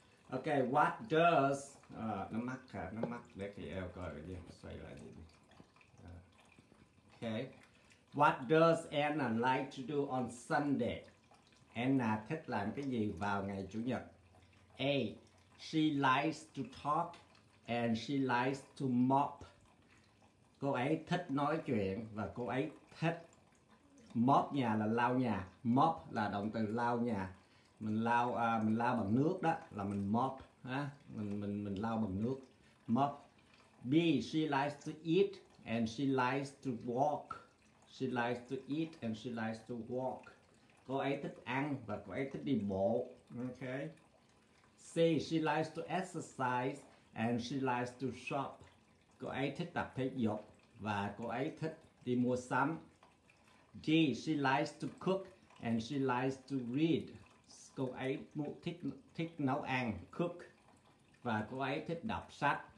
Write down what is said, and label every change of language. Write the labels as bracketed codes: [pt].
[en] Okay, what does [vi] nó mắc để cái eo coi cái gì xoay lại đi. [en] Okay, what does Anna like to do on Sunday? [vi] Anna thích làm cái gì vào ngày Chủ nhật? [en] A, she likes to talk and she likes to mop. [vi] Cô ấy thích nói chuyện và cô ấy thích mop nhà, là lau nhà. Mop là động từ lau nhà. mình lau bằng nước đó là mình mop ha, mình lau bằng nước mop. [en] B, she likes to eat and she likes to walk. She likes to eat and she likes to walk. [vi] Cô ấy thích ăn và cô ấy thích đi bộ. [en] Okay. C, she likes to exercise and she likes to shop. [vi] Cô ấy thích tập thể dục và cô ấy thích đi mua sắm. [en] D, she likes to cook and she likes to read. [vi] Cô ấy thích nấu ăn, cook, và cô ấy thích đọc sách.